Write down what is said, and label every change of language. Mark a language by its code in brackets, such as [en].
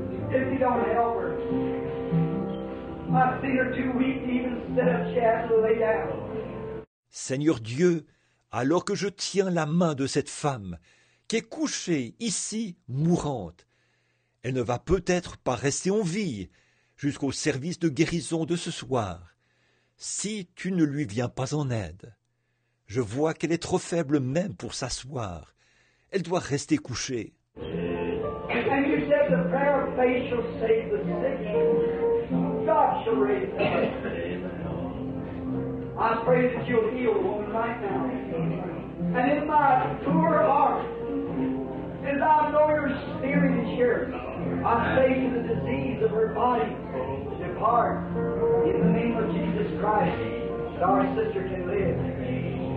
[en] If you don't help her, I see her too weak to even sit up, she has to lay down. [fr] Seigneur Dieu, alors que je tiens la main de cette femme qui est couchée ici mourante, elle ne va peut-être pas rester en vie jusqu'au service de guérison de ce soir si tu ne lui viens pas en aide. Je vois qu'elle est trop faible même pour s'asseoir. Elle doit rester couchée. [en] And you said the prayer of faith shall save the sick. God shall raise them. I pray that you'll heal the woman right now. And in my poor heart, as I know your spirit is here, I say to the disease of her body, depart in the name of Jesus Christ, that our sister can live.